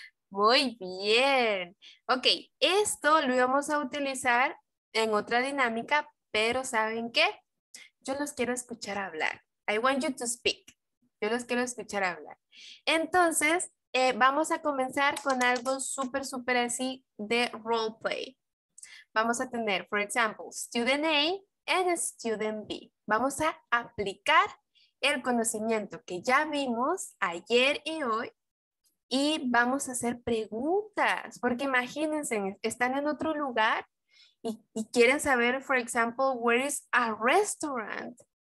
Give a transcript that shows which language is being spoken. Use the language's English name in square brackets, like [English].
[Spanish] Muy bien. Ok, esto lo íbamos a utilizar en otra dinámica, pero ¿saben qué? Yo los quiero escuchar hablar. [English] I want you to speak. [Spanish] Yo los quiero escuchar hablar. Entonces, vamos a comenzar con algo súper, súper así de roleplay. Vamos a tener, [English] for example, student A and student B. [Spanish] Vamos a aplicar el conocimiento que ya vimos ayer y hoy y vamos a hacer preguntas. Porque imagínense, están en otro lugar y quieren saber, [English] for example, where is a restaurant?